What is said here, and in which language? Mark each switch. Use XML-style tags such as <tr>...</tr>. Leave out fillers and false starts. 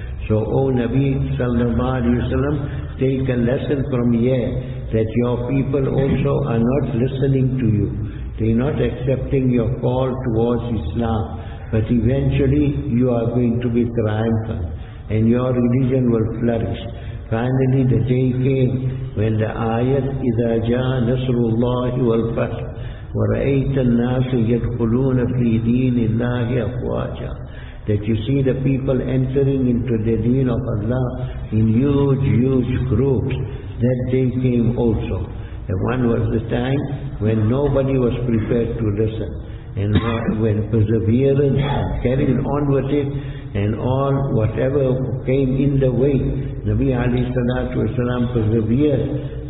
<en>So, O Nabi sallallahu alayhi wa sallam, take a lesson from here that your people also are not listening to you. They are not accepting your call towards Islam. But eventually you are going to be triumphant and your religion will flourish. Finally, the day came when the ayat</en> <ar>إِذَا جَاءَ نَصْرُ اللَّهِ وَالْفَتْحِ وَرَأَيْتَ النَّاسَ يَدْخُلُونَ فِي دِينِ اللَّهِ أَفْوَاجًا.</ar> <en>That you see the people entering into the deen of Allah in huge, huge groups. That day came also. And one was the time when nobody was prepared to listen. And when perseverance carried on with it, and all whatever came in the way, Nabi alayhi salatu wasalam persevered.</en>